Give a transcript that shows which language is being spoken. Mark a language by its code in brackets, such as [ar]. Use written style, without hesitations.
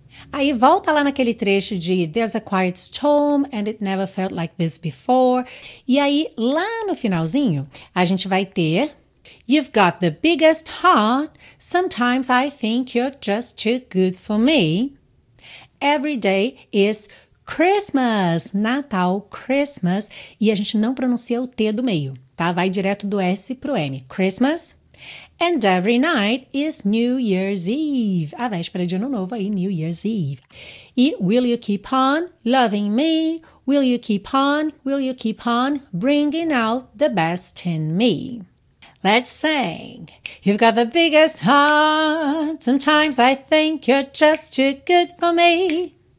[pt] Aí volta lá naquele trecho de [en] there's a quiet storm and it never felt like this before. [pt] E aí lá no finalzinho a gente vai ter [en] you've got the biggest heart. Sometimes I think you're just too good for me. Every day is Christmas, Natal, Christmas. [pt] E a gente não pronuncia o T do meio, tá? Vai direto do S pro M. Christmas. [en] And every night is New Year's Eve. [pt] A véspera de ano novo aí, New Year's Eve. [en] E will you keep on loving me? Will you keep on? Will you keep on bringing out the best in me? Let's sing. You've got the biggest heart. Sometimes I think you're just too good for me.